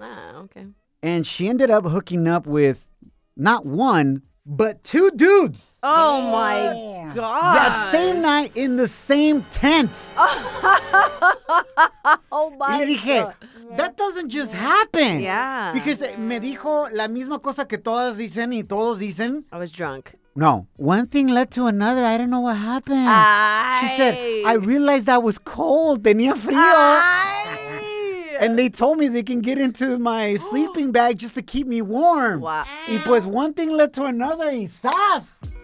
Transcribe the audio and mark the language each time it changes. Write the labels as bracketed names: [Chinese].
[English] Ah, okay. And she ended up hooking up with not one, but two dudes. Oh, yeah. My God. That same night in the same tent. Oh, my God. [Spanish] Y le dije, [English] that doesn't just happen. Yeah. Because [Spanish] me dijo la misma cosa que todas dicen y todos dicen. [English] I was drunk. No. One thing led to another. I don't know what happened. She said, I realized I was cold. [Spanish] Tenía frío. [English] And they told me they can get into my sleeping bag just to keep me warm. Wow. [Spanish] Y pues [English] one thing led to another [Spanish] y sas.